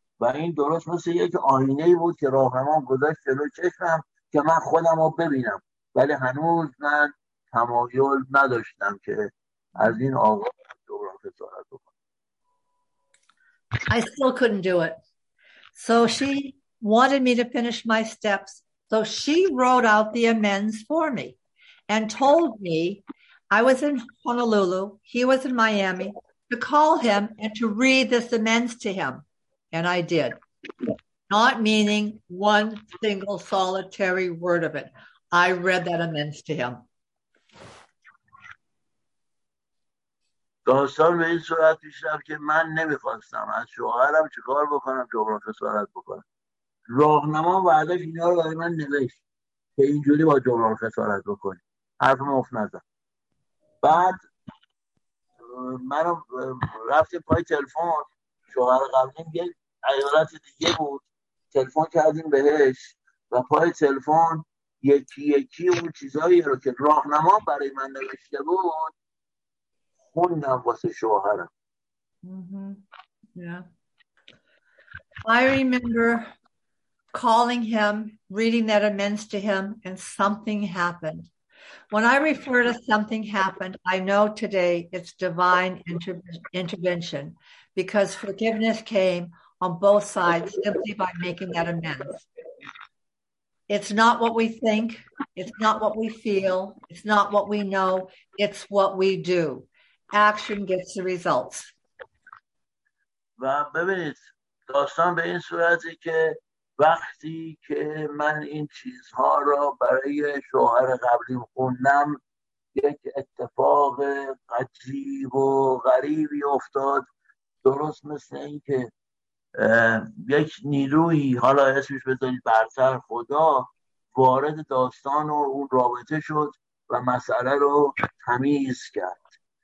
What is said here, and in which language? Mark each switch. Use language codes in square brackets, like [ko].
[fa] و این درست مثل یک آینه بود که راهنما گذاشت جلو چشمم که من خودم رو ببینم، ولی هنوز من تمایل نداشتم که از این آقا دوباره خسارت بکنم. [en] I still couldn't do it. So she wanted me to finish my steps. So she wrote out the amends for me and told me I was in Honolulu, he was in Miami, to call him and to read this amends to him. And I did. Not meaning one single solitary word of it. I read that amends to him. [fa] داستان به این صورت پیش رفت که من نمیخواستم از شوهرم چیکار بکنم که جبران خسارت بکنم. راهنما بعدش اینا رو برای من نوشت که اینجوری با جبران خسارت بکنی، حرف مفت نزن. بعد منو رفت پای تلفن، شوهر قبلیم یه ایالت دیگه بود، تلفن کردیم بهش و پای تلفن یکی یکی اون چیزایی رو که راهنما برای من نوشته بود خوندم واسه شوهرم. [en] I remember calling him, reading that amends to him, and something happened. When I refer to something happened, I know today it's divine intervention, because forgiveness came on both sides simply by making that amends. It's not what we think. It's not what we feel. It's not what we know. It's what we do. Action gets the results. [fa] و ببینید داستان به این صورتی که وقتی که من این چیزها را برای شوهر قبلیم خوندم، یک اتفاق عجیب و غریبی افتاد، درست مثل این که یک نیرویی، حالا اسمش بذارید برتر، خدا وارد داستان و اون رابطه شد و مسئله رو تمیز کرد.